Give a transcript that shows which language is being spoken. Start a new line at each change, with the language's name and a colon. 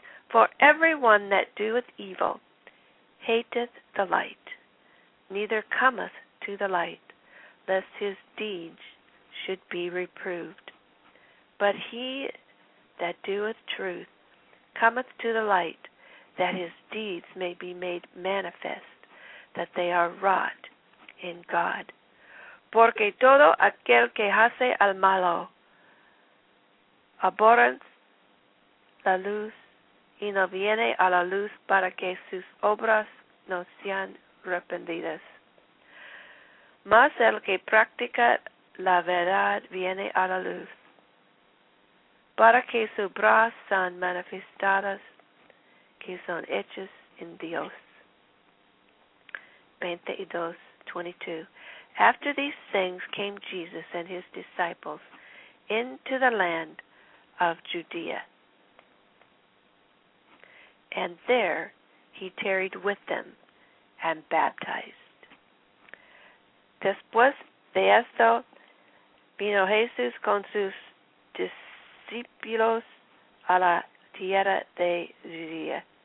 English: For everyone that doeth evil hateth the light, neither cometh to the light, lest his deeds should be reproved. But he that doeth truth cometh to the light, that his deeds may be made manifest, that they are wrought in God.
Spanish: Porque todo aquel que hace al malo aborrece la luz, y no viene a la luz para que sus obras no sean reprendidas. Mas el que practica la verdad viene a la luz, para que sus obras sean manifestadas, que son hechas en Dios. 22.
English: After these things came Jesus and his disciples into the land of Judea. And there he tarried with them and baptized.
Spanish: Después de esto, vino Jesús con sus discípulos a la tierra de Judea.